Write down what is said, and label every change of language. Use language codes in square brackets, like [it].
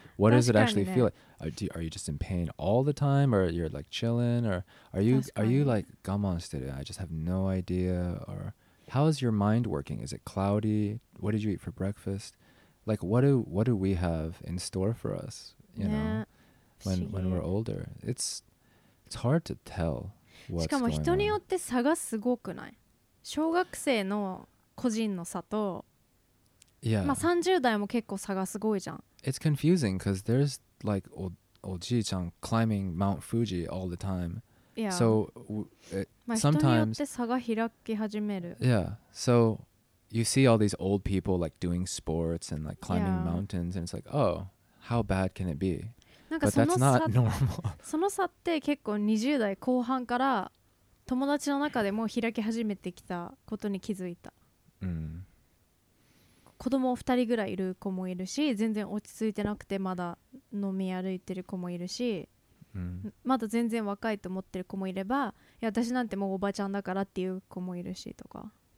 [en] What does it actually feel like? Are you just in pain all the time, or you're like chilling, or are you like [ja] 我慢してる? [en] I just have no idea. Or how is your mind working? Is it cloudy? What did you eat for breakfast? Like what do we have in store for us? You know, when we're older, it's hard to tell what's going on. [ja] しかも人によって差がすごくない。小学生の個人の差と、 [en] yeah. [ja] まあ30代も結構差がすごいじゃん。 [en] It's confusing because there's like おじいちゃん climbing Mount Fuji all the time. Yeah. So sometimes. [ja] まあ人によって差が開き始める。 [en] Yeah. So you see all these old people like doing sports and like climbing yeah. mountains, and it's like, oh, how bad can it be? [ja] なんかその差って、その差って結構20代後半から友達の中でもう開き始めてきたことに気づいた。うん。子供2人ぐらいいる子もいるし、全然落ち着いてなくてまだ飲み歩いてる子もいるし、まだ全然若いと思ってる子もいれば、いや私なんてもうおばちゃんだからっていう子もいるしとか。